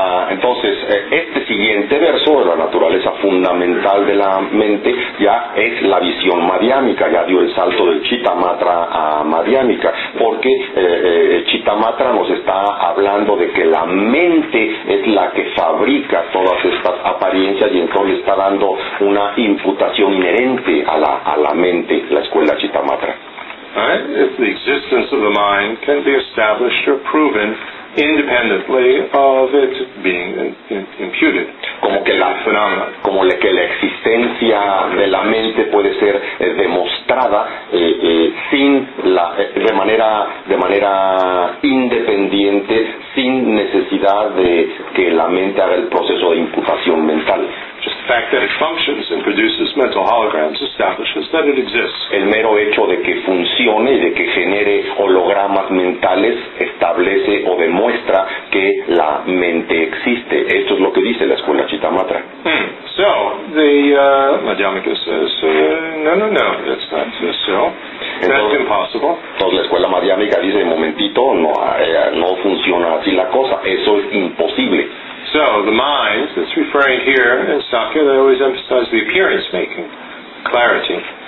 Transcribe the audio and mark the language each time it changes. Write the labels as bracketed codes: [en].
[es] Entonces, este siguiente verso de la naturaleza fundamental de la mente ya es la visión madhyámica, ya dio el salto del Chittamatra a madhyámica, porque Chittamatra nos está hablando de que la mente es la que fabrica todas estas apariencias, y entonces está dando una imputación inherente a la mente, la escuela Chittamatra. [en] Right? If the existence of the mind can be established or proven independently of it being imputed, [es] como que la existencia de la mente puede ser demostrada de manera independiente, sin necesidad de que la mente haga el proceso de imputación mental. [en] Just fact that it functions and produces mental holograms establishes that it exists. [es] El mero hecho de que funcione y de que genere hologramas mentales establece o demuestra que la mente existe. Esto es lo que dice la escuela Chitamatra. [en] So the Madhyamika says, no, that's not so. [es] Entonces, [en] that's impossible. [es] Entonces la escuela Madhyamika dice, momentito, no funciona así la cosa. Eso es imposible. [en] So the mind that's referring here in Sakya, they always emphasize the appearance making, clarity.